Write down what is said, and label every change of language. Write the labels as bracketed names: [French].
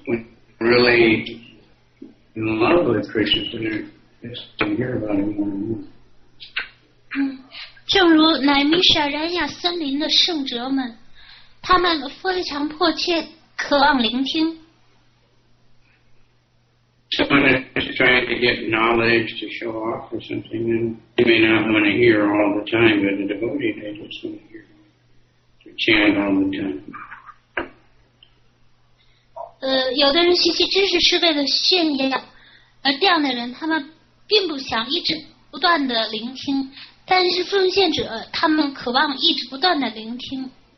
[English] When really in love with Krishna, then you're interested to hear about him more and more. [Chinese] 正如乃米舍然亚森林的圣哲们，他们非常迫切渴望聆听。 [English] Someone is trying to get knowledge to show off or something, and they may not want to hear all the time, but the devotee, they just want to hear to chant all the time. [Chinese] 有的人学习知识是为了炫耀，而这样的人，他们并不想一直不断的聆听。但是奉献者，他们渴望一直不断的聆听。